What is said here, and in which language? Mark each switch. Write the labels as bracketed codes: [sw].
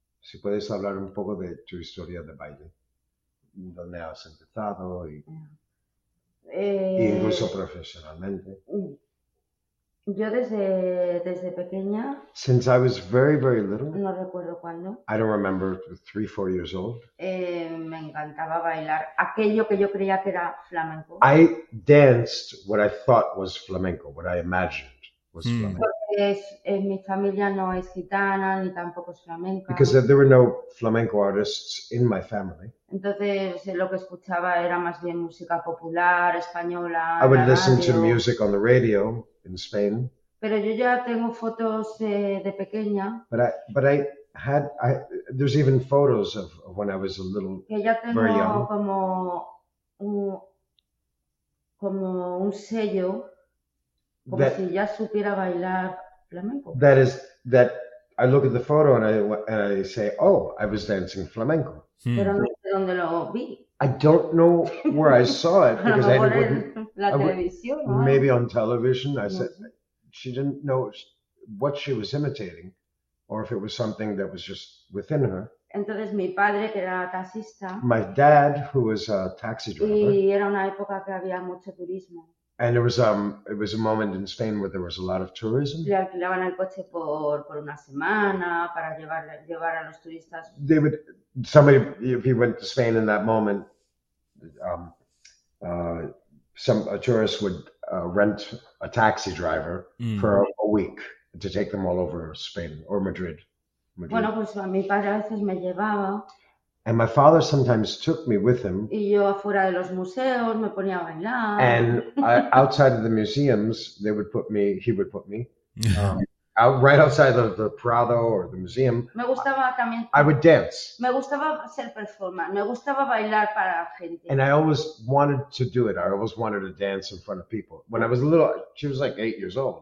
[es] Si puedes hablar un poco de tu historia de baile, donde has empezado y incluso profesionalmente. Yo desde pequeña. [en] Since I was very, very little. [es] No recuerdo cuándo. [en] I don't remember, 3-4 years old. [es] Me encantaba bailar aquello que yo creía que era flamenco. [en] I danced what I thought was flamenco, what I imagined was flamenco. [es] Mi familia no es gitana ni tampoco es flamenca. [en] Because there were no flamenco artists in my family. [es] Entonces lo que escuchaba era más bien música popular española. [en] I would listen to music on the radio in Spain. [es] Pero yo ya tengo fotos de pequeña. [en] But I had there's even photos of when I was a little [es] que ya tengo [en] very young. [es] como un sello. [en] That I look at the photo and I say, oh, I was dancing flamenco. [es] Pero no sé dónde lo vi. [en] I don't know where I saw it because I didn't. Maybe on television. I said she didn't know what she was imitating, or if it was something that was just within her. [es] Entonces mi padre, que era taxista. [en] My dad, who was a taxi driver. [es] Y era una época que había mucho turismo. [en] And it was a moment in Spain where there was a lot of tourism. [es] Le alquilaban el coche por una semana para llevar a los turistas. [en] They would, somebody, if you went to Spain in that moment, a tourist would rent a taxi driver for a week to take them all over Spain or Madrid. [es] Bueno, pues mi padre a veces me llevaba. [en] And my father sometimes took me with him. [es] Y yo afuera de los museos me ponía a bailar. [en] And outside of the museums, he would put me out right outside of the Prado or the museum. [es] Me gustaba también. [en] I would dance. [es] Me gustaba ser performer. Me gustaba bailar para la gente. [en] And I always wanted to do it. I always wanted to dance in front of people. When I was little, she was like 8 years old.